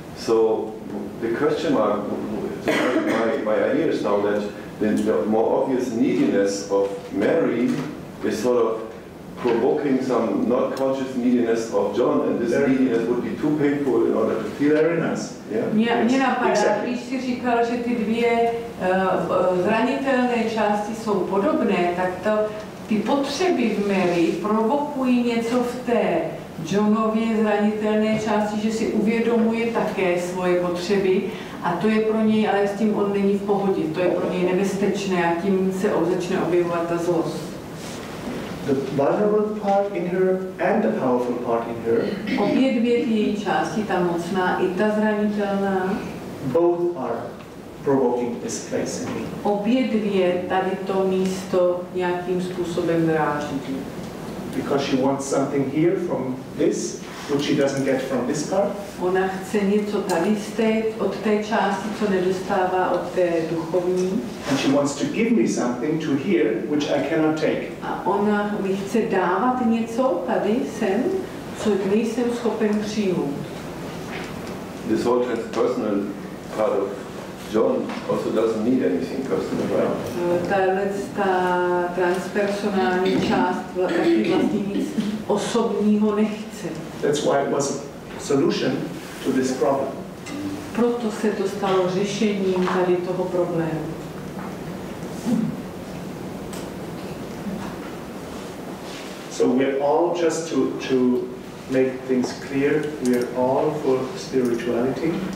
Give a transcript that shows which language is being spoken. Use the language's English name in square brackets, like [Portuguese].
[English] So the question mark, my idea is now that the more obvious neediness of Mary is sort of provoking some not conscious neediness of John, and this very neediness would be too painful in order to feel very nice. [Czech] Mě napadá, když jsi říkal, že ty dvě zranitelné části jsou podobné, tak to ty potřeby v Mary provokují něco v té Johnově zranitelné části, že si uvědomuje také svoje potřeby. A to je pro něj, ale s tím on není v pohodě. To je pro něj nebezpečné a tím se začne objevovat ta zlost. [English] The vulnerable part in her and the powerful part in her. [Czech] Obě dvě ty její části, ta mocná i ta zranitelná. [English] Both are provoking this place in me. [Czech] Obě dvě tady to místo nějakým způsobem dráží. [English] Because she wants something here from this, which she doesn't get from this part. [Czech] Ona chce něco tady od té části, co nedostává od té duchovní. [English] And she wants to give me something to here, which I cannot take. [Czech] A ona mi chce dávat něco tady sem, co nejsem schopen přijmout. [English] This whole transpersonal part of John also doesn't need anything personal, right? [Czech] Ta transpersonální část vlastně nic osobního nechce. [English] That's why it was a solution to this problem. [Czech] Proto se to stalo řešením tady toho problému. [English] So we're all just to make things clear, we're all for spirituality.